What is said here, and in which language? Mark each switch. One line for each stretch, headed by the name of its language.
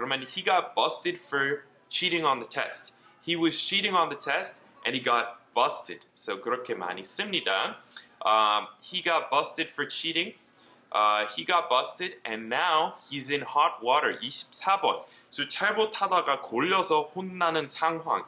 Korean: 그러면
English: he got busted for cheating on the test. He was cheating on the test and he got busted.
Korean: So 그렇게 많이 씁니다.
English: He got busted for cheating. He got busted and now he's in hot water.
Korean: 24번. So 잘못하다가 걸려서 혼나는 상황.